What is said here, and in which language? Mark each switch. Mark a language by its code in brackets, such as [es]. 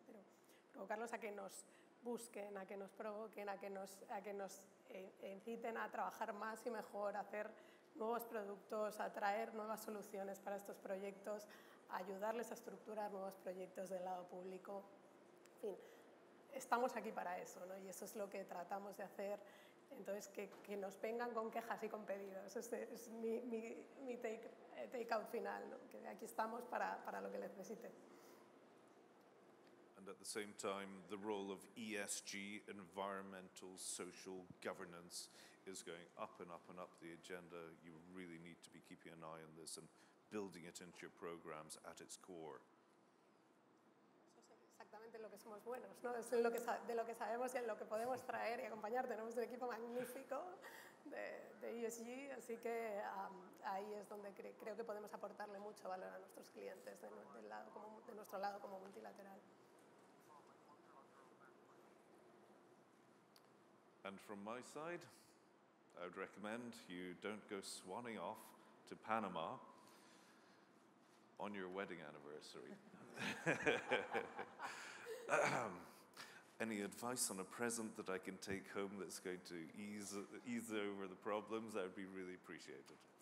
[es] Pero provocarlos a que nos busquen, a que nos provoquen, a que nos inciten a trabajar más y mejor, a hacer nuevos productos, a traer nuevas soluciones para estos proyectos, a ayudarles a estructurar nuevos proyectos del lado público. En fin, estamos aquí para eso, ¿no? Y eso es lo que tratamos de hacer. Entonces, que nos vengan con quejas y con pedidos. Ese es mi take-out final, ¿no? Que aquí estamos para lo que necesiten. [en] And at the same time, the role of ESG, environmental, social, governance, is going up and up and up the agenda. You really need to be keeping an eye on this and building it into your programs at its core. [es] Eso es exactamente lo que somos buenos, ¿no? Es de lo que sabemos y en lo que podemos traer y acompañar. Tenemos un equipo magnífico de ESG, así que ahí es donde creo que podemos aportarle mucho valor a nuestros clientes de nuestro lado como multilateral. [en] And from my side, I would recommend you don't go swanning off to Panama on your wedding anniversary. Any advice on a present that I can take home that's going to ease over the problems, that would be really appreciated.